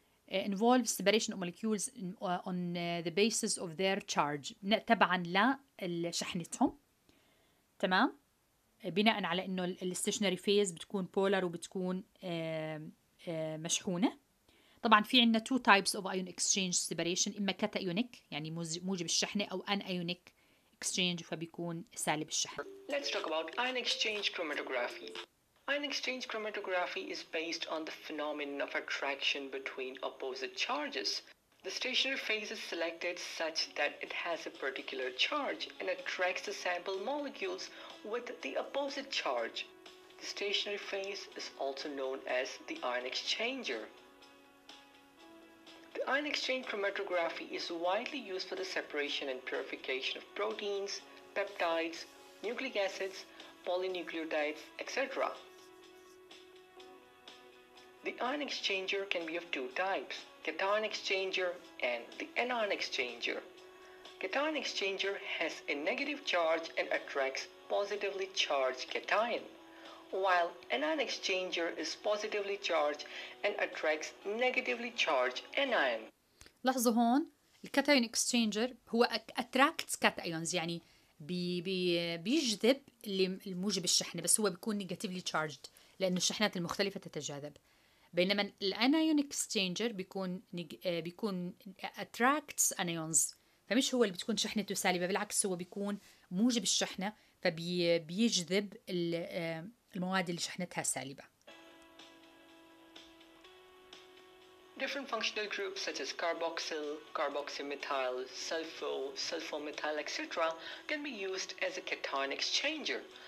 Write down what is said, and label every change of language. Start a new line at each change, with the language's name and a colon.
English: Involves separation of molecules on the basis of their charge،
Arabic: تبعا لشحنتهم، تمام، بناء على انه الستيشنري فيز بتكون بولر وبتكون مشحونة. طبعا في عندنا
English: two types of ion exchange separation،
Arabic: اما كاتايونيك يعني موجب الشحنة، او انايونيك exchange فبيكون سالب الشحن.
English: Let's talk about ion exchange chromatography. Ion exchange chromatography is based on the phenomenon of attraction between opposite charges. The stationary phase is selected such that it has a particular charge and attracts the sample molecules with the opposite charge. The stationary phase is also known as the ion exchanger. Ion exchange chromatography is widely used for the separation and purification of proteins, peptides, nucleic acids, polynucleotides, etc. The ion exchanger can be of two types, cation exchanger and the anion exchanger. Cation exchanger has a negative charge and attracts positively charged cation, while anion exchanger is positively charged and attracts negatively charged anion.
Arabic: لاحظوا هون الكاتايون اكسشينجر هو اتراكتس كاتايونز، يعني بي بي بيجذب اللي الموجب الشحنه، بس هو بيكون نيجاتيفلي تشارجد لانه الشحنات المختلفه تتجاذب، بينما الانايون اكسشينجر بيكون اتراكتس انايونز، فمش هو اللي بتكون شحنته سالبه، بالعكس هو بيكون موجب الشحنه فبيجذب المواد اللي شحنتها سالبة.
English: Different functional groups such as carboxyl, carboxymethyl, sulfo, sulfomethyl, etc. can be used as a cation exchanger.